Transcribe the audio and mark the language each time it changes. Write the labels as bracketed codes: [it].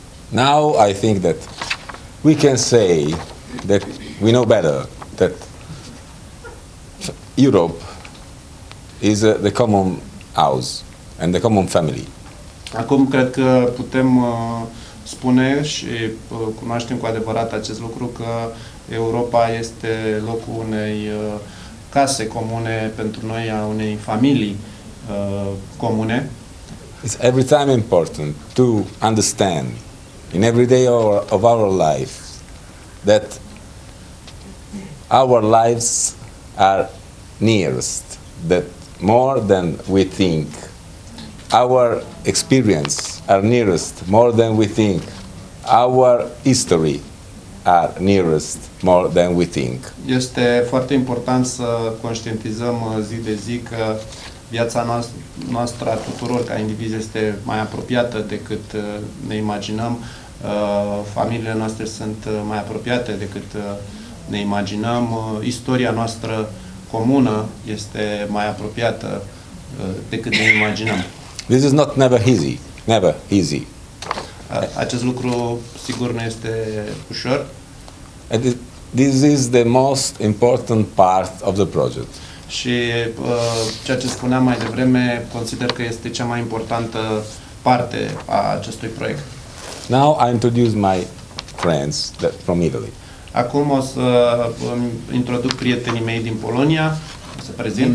[en] Now I think that we can say that we know better that Europe is the common house and the common family. [ro] Acum cred că putem spune și cunoaștem cu adevărat acest lucru că Europa este locul unei case comune pentru noi, a unei familii comune. [en] It's every time important to understand in every day of our life that our lives are nearest, that more than we think, our experience are nearest more than we think, our history are nearest more than we think. [ro] Este foarte important să conștientizăm zi de zi că viața noastră a tuturor ca indivizi este mai apropiată decât ne imaginăm. Familiile noastre sunt mai apropiate decât ne imaginăm. Istoria noastră comună este mai apropiată decât ne imaginăm. [en] This is not never easy. Never easy. [ro] Acest lucru sigur nu este ușor. [en] And this is the most important part of the project. [ro] Și ceea ce spuneam mai devreme, consider că este cea mai importantă parte a acestui proiect. [en] Now I introduce my friends that from Italy. [ro] Acum o să introduc prietenii mei din Polonia, o să prezint.